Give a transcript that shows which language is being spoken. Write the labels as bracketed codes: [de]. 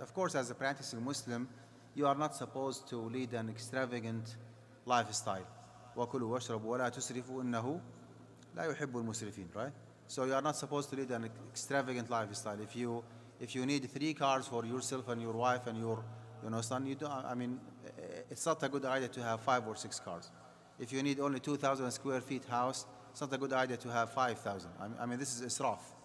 [en] Of course, as a practicing Muslim, you are not supposed to lead an extravagant lifestyle. [ar] وَكُلُوا وَاشْرَبُوا وَلَا تُسْرِفُوا إِنَّهُ لَا يُحِبُّ الْمُسْرِفِينَ, right? [en] So you are not supposed to lead an extravagant lifestyle. If you need three cars for yourself and your wife and your son, it's not a good idea to have five or six cars. If you need only 2,000 square feet house, it's not a good idea to have 5,000. I mean, this is israf.